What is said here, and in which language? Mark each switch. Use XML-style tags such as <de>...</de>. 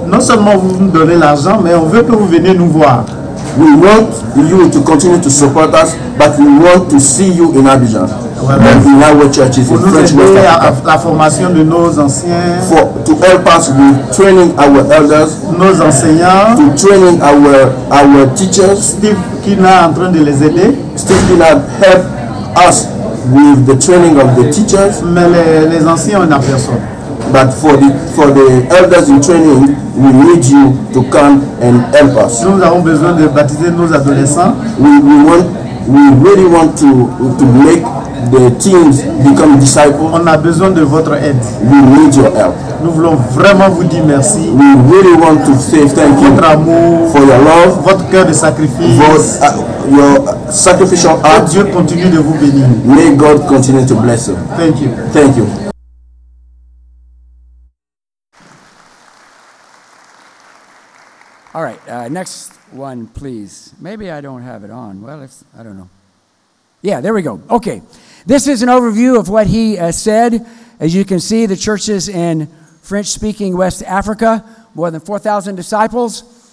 <fr>Non seulement vous nous donnez l'argent, mais on veut que vous venez nous voir.</fr> <en>We want you to continue to support us, but we want to see you in Abidjan. In our churches,</en> <fr>pour nous aider à la formation de nos anciens,</fr> <en>to help us with training our elders,</en> <fr>nos enseignants,</fr> <en>to training our teachers,</en> <fr>Steve Kina en train de les aider,</fr> <en>Steve Kina help us with the training of the teachers,</en> <fr>mais les anciens on n'a personne.</fr> <en>But for the elders in training, we need you to come and help us.</en> <fr>Nous avons besoin de baptiser nos adolescents.</fr> <en>We really want to make the teens become disciples.</en> <fr>On a besoin de votre aide.</fr> <en>We need your help.</en> <fr>Nous voulons vraiment vous dire merci.</fr> <en>We really want to say thank you.</en> <fr>Votre amour,</fr> <en>for your love,</en> <fr>votre cœur de sacrifice,</fr> <en>your sacrificial heart.</en> <fr>Que Dieu continue de vous bénir.</fr> <en>May God continue to bless you. Thank you. Thank you. All right, next one, please. Maybe I don't have it on. Well, I don't know. Yeah, there we go. Okay, this is an overview of what he said. As you can see, the churches in French-speaking West Africa, more than 4,000 disciples.</en>